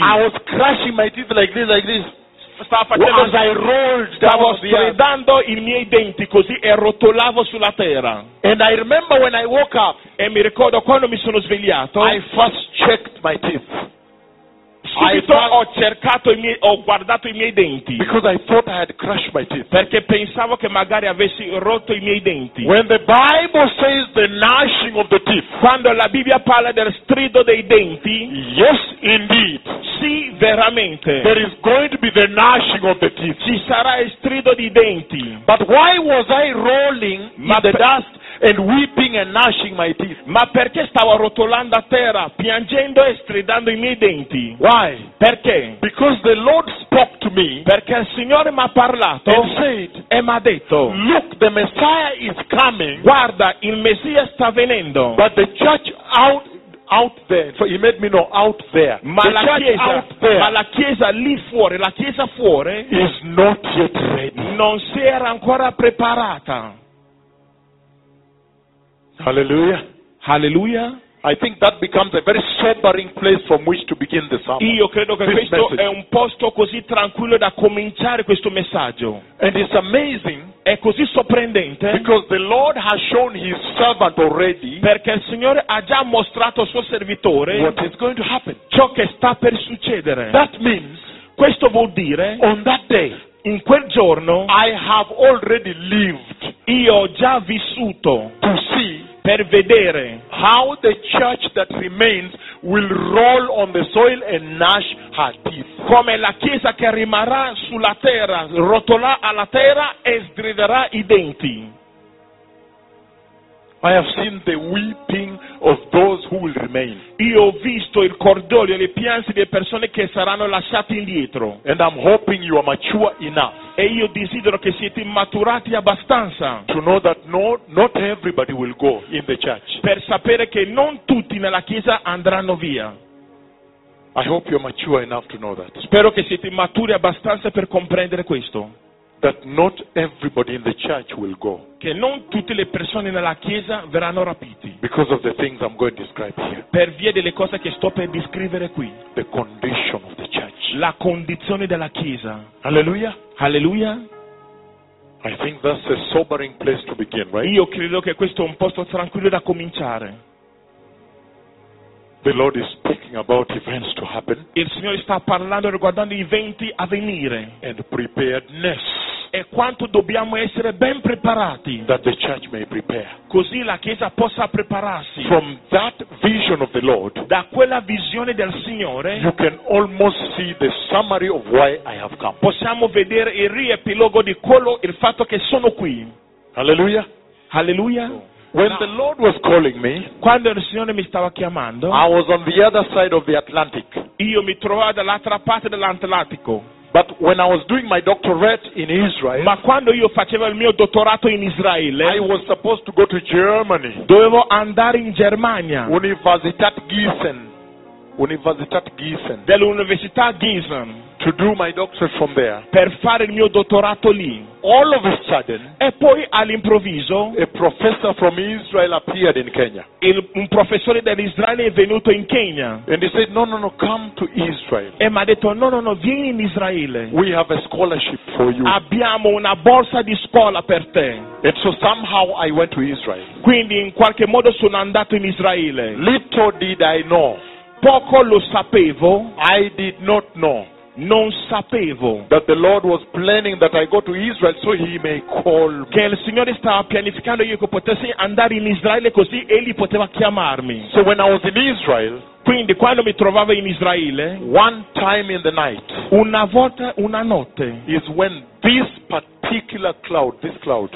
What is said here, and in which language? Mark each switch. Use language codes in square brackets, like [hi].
[en] I was crushing my teeth like this, like this. [it] Stavo facendo, [en] as I rolled, [it] stavo stridando i miei denti così e rotolavo sulla terra. [en] And I remember when I woke up, [it] e mi ricordo quando mi sono svegliato, [en] I first checked my teeth. [it] Subito ho cercato i miei, ho guardato i miei denti. [en] Because I thought I had crushed my teeth. [it] Perché pensavo che magari avessi rotto i miei denti. [en] When the Bible says the gnashing of the teeth, [it] quando la Bibbia parla del strido dei denti, [en] yes indeed, [it] sì veramente, [en] there is going to be the gnashing of the teeth. [it] Ci sarà il strido dei denti. [en] But why was I rolling in the dust and weeping and gnashing my teeth? [it] Ma perché stavo rotolando a terra, piangendo e stridendo i miei denti? [en] Why? [it] Perché? [en] Because the Lord spoke to me. [it] Perché il Signore mi ha parlato. [en] And said, [it] e mi ha detto, [en] look, the Messiah is coming. [it] Guarda, il Messia sta venendo. [en] But the church out there. So he made me know, out there. [it] Ma [en] the [it] la chiesa, [en] out there, [it] ma la chiesa lì fuori, la chiesa fuori, [en] is not yet ready. [it] Non si era ancora preparata. [en] Hallelujah. [it] Hallelujah. [en] I think that becomes a very sobering place from which to begin the sermon. [it] Io credo che questo è un posto così tranquillo da cominciare questo messaggio. [en] And it's amazing. [it] È così sorprendente. [en] Because the Lord has shown his servant already. [it] Perché il Signore ha già mostrato suo servitore. [en] What is going to happen? [it] Ciò che sta per succedere. [en] That means, [it] questo vuol dire, [en] on that day, [it] in quel giorno, [en] I have already lived. [it] Io ho già vissuto. [en] To see, [it] per vedere, [en] how the church that remains will roll on the soil and gnash her teeth. [it] Come la chiesa che rimarrà sulla terra, rotolà alla terra e striderà i denti. [en] I have seen the weeping of those who will remain. [it] Io ho visto il cordoglio, le piansi delle persone che saranno lasciate indietro. [en] And I'm hoping you are mature enough. [it] E io desidero che siete maturati abbastanza. [en] To know that not everybody will go in the church. [it] Per sapere che non tutti nella chiesa andranno via. [en] I hope you are mature enough to know that. [it] Spero che siete maturi abbastanza per comprendere questo. [en] that not everybody in the church will go. [it] Che non tutte le persone nella chiesa verranno rapiti. [en] Because of the things I'm going to describe here. [it] Per via delle cose che sto per descrivere qui. [en] The condition of the church. [it] La condizione della chiesa. [en] Hallelujah. [it] Hallelujah. [en] I think that's a sobering place to begin, right? [it] Io credo che questo è un posto tranquillo da cominciare. [en] The Lord is speaking about events to happen. [it] Il Signore sta parlando riguardando gli eventi a venire. [en] And preparedness. [it] E quanto dobbiamo essere ben preparati. [en] That the church may prepare. [it] Così la chiesa possa prepararsi. [en] From that vision of the Lord. [it] Da quella visione del Signore. [en] You can almost see the summary of why I have come. [it] Possiamo vedere il riepilogo di quello, il fatto che sono qui. [en] Hallelujah. [it] Hallelujah. [en] When the Lord was calling me, [it] quando il Signore mi stava chiamando, [en] I was on the other side of the Atlantic. [it] Io mi trovavo dall'altra parte dell'Atlantico. [en] But when I was doing my doctorate in Israel, [it] ma quando io facevo il mio dottorato in Israele, [en] I was supposed to go to Germany. [it] Dovevo andare in Germania. [en] Universität Gießen. Universität Gießen. [it] Dell'Università Gießen. [en] To do my doctorate from there. [it] Per fare il mio dottorato lì. [en] All of a sudden, [it] e poi all'improvviso, [en] a professor from Israel appeared in Kenya. [it] Un professore dell'Israele è venuto in Kenya. [en] And he said, no, come to Israel. [it] E mi ha detto, no, vieni in Israele. [en] We have a scholarship for you. [it] Abbiamo una borsa di scuola per te. [en] And so somehow I went to Israel. [it] Quindi in qualche modo sono andato in Israele. [en] Little did I know. [it] Poco lo sapevo. [en] I did not know. [it] Non sapevo [en] that the Lord was planning that I go to Israel so he may call me. [it] Che il Signore stava pianificando io che potessi andare in Israele così egli poteva chiamarmi. [en] So when I was in Israel, [it] quindi quando mi trovavo in Israele, [en] one time in the night, [it] una volta, una notte, [en] is when this particular cloud, this cloud,